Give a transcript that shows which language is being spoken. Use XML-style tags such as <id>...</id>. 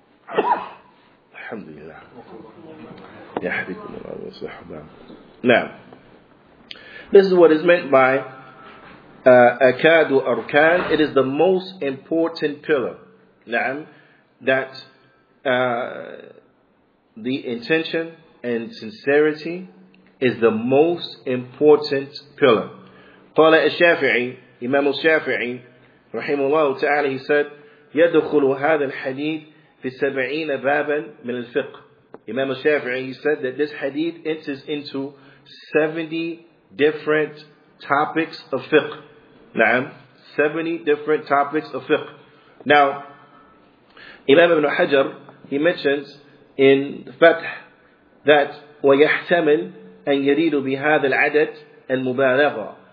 <ar>الحمد لله يحبكم الله وصحبه. Naam.</ar> <en>This is what is meant by</en> <ar>أكاد أركان.</ar> <en>It is the most important pillar. نعم. That the intention and sincerity is the most important pillar.</en> <ar>قال الشافعي, إمام الشافعي رحمه الله تعالى,</ar> <en>he said,</en> <ar>يدخل هذا الحديث في 70 بابا من الفقه.</ar> <en>Imam al-Shafi'i, he said that this hadith enters into 70 different topics of fiqh. Na'am. 70 different topics of fiqh. Now, Imam ibn Hajar, he mentions in Fath that</en> <ar>وَيَحْتَمِلْ أَنْ يَرِيدُ بِهَذَا الْعَدَدِ الْمُبَالَغَ.</ar>